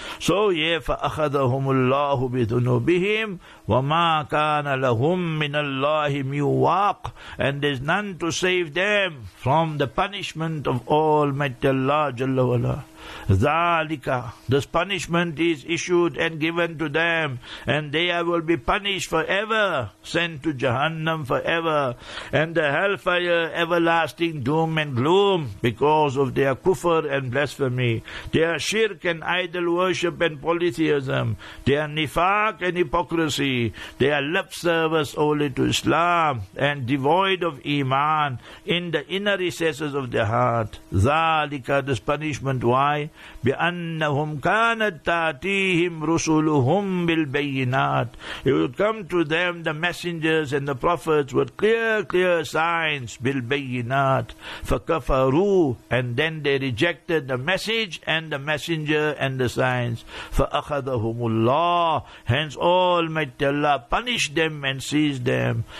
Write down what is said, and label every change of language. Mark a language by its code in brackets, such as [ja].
[en] So yeah, [ar] فَأَخَذَهُمُ اللَّهُ بِذُنُوبِهِمْ وَمَا كَانَ لَهُمْ مِنَ اللَّهِ مِوَاقٍ. [en] And there's none to save them from the punishment of Almighty Allah Jalla wa'ala. Zalika, this punishment is issued and given to them, and they will be punished forever, sent to Jahannam forever, and the hellfire, everlasting doom and gloom, because of their kufr and blasphemy, their shirk and idol worship and polytheism, their nifaq and hypocrisy, their lip service only to Islam, and devoid of iman in the inner recesses of their heart. Zalika, this punishment, why? [ar] بأنهم كانت تأتيهم رسلهم بالبينات. [en] It would come to them, the messengers and the prophets, with clear signs. [ar] بالبينات فكفروا. [en] And then they rejected the message and the messenger and the signs. [ar] فأخذهم الله. [en] Hence Almighty Allah punished them and seized them.